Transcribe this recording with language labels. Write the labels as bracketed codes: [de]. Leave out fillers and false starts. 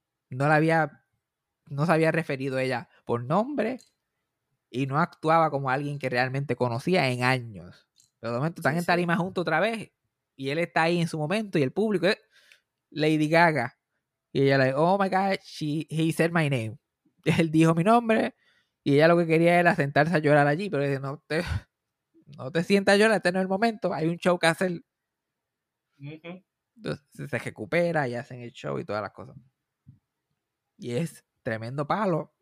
[es] No se había referido a ella por nombre y no actuaba como alguien que realmente conocía en años. Pero de momento están en tarima juntos otra vez y él está ahí en su momento y el público es Lady Gaga. Y ella le dice, [en] oh my God, he said my name. [es] Él dijo mi nombre y ella lo que quería era sentarse a llorar allí. Pero dice, no te sientas a llorar, este no es el momento, hay un show que hacer. Entonces se recupera y hacen el show y todas las cosas. Y es tremendo palo.